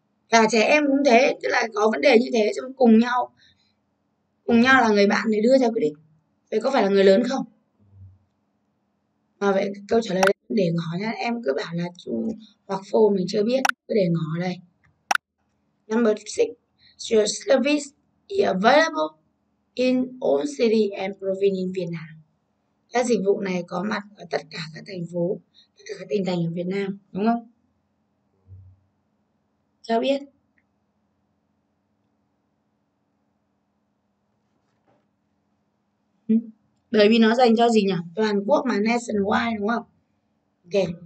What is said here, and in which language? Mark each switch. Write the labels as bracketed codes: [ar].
[vi] Và trẻ em cũng thế, tức là có vấn đề như thế trong cùng nhau là người bạn để đưa ra quyết định, vậy có phải là người lớn không? Mà vậy câu trả lời để ngỏ nha, em cứ bảo là true hoặc false mình chưa biết, cứ để ngỏ đây. [en] Number 6, your service is available in all city and province in Việt Nam. [vi] Các dịch vụ này có mặt ở tất cả các thành phố, tất cả các tỉnh thành ở Việt Nam, đúng không? Cho biết. Bởi vì nó dành cho gì nhỉ? Toàn quốc mà, nationwide đúng không? Ok.